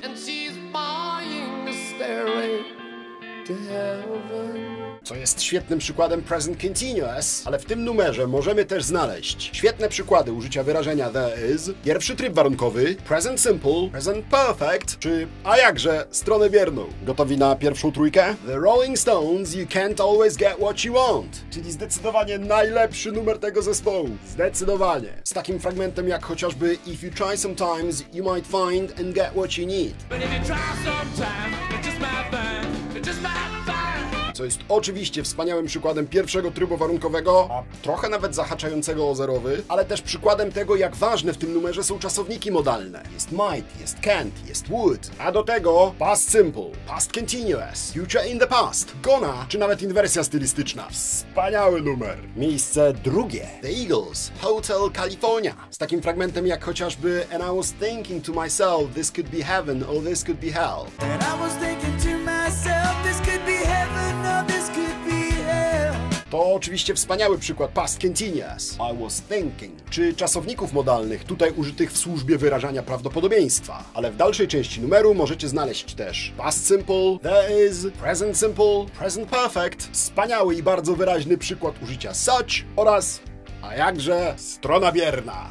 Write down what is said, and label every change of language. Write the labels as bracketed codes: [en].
[en] And she's buying a stairway to heaven. [pl] Co jest świetnym przykładem Present Continuous, ale w tym numerze możemy też znaleźć świetne przykłady użycia wyrażenia there is, pierwszy tryb warunkowy, Present Simple, Present Perfect, czy a jakże stronę bierną. Gotowi na pierwszą trójkę? The Rolling Stones, You Can't Always Get What You Want, czyli zdecydowanie najlepszy numer tego zespołu. Zdecydowanie. Z takim fragmentem jak chociażby [en] If You Try Sometimes, You Might Find and Get What You Need. But if you try sometimes, it just might burn, it just might burn. [pl] co jest oczywiście wspaniałym przykładem pierwszego trybu warunkowego, a trochę nawet zahaczającego o zerowy, ale też przykładem tego, jak ważne w tym numerze są czasowniki modalne. Jest might, jest can't, jest would, a do tego past simple, past continuous, future in the past, gonna, czy nawet inwersja stylistyczna. Wspaniały numer! Miejsce drugie. The Eagles, Hotel California. Z takim fragmentem jak chociażby [en] and I was thinking to myself, this could be heaven or this could be hell. And I was thinking to myself, this could be heaven or this could be hell. [pl] To oczywiście wspaniały przykład past continuous, [en] I was thinking, [pl] czy czasowników modalnych, tutaj użytych w służbie wyrażania prawdopodobieństwa. Ale w dalszej części numeru możecie znaleźć też past simple, there is, present simple, present perfect, wspaniały i bardzo wyraźny przykład użycia such oraz a jakże strona bierna.